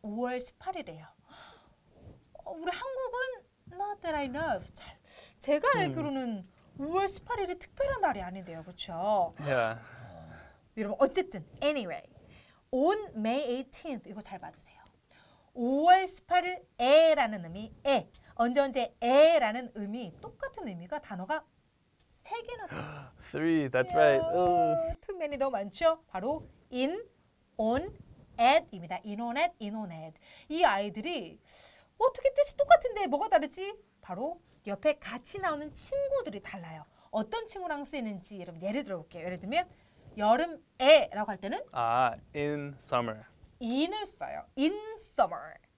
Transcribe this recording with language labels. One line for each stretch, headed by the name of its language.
Korean: 5월 18일에요. 우리 한국은
English: not that I know.
Korean: 제가 알기로는 5월 18일이 특별한 날이 아닌데요. 그렇죠?
English: Yeah.
Korean: 여러분, 어쨌든, anyway,
English: on May 18th,
Korean: 이거 잘 봐주세요. 5월 18일에 라는 의미, 에. 언제 언제에 라는 의미, 똑같은 의미가 단어가 세 개나 돼요.
English: Three, that's yeah. right. Oh. Too many,
Korean: 너무 많죠? 바로 in, on, at입니다.
English: In, on, at, in, on, at.
Korean: 이 아이들이 어떻게 뜻이 똑같은데 뭐가 다르지? 바로 옆에 같이 나오는 친구들이 달라요. 어떤 친구랑 쓰이는지 여러분 예를 들어볼게요. 예를 들면 여름에 라고 할 때는
English: 아, in summer. in을 써요. in summer.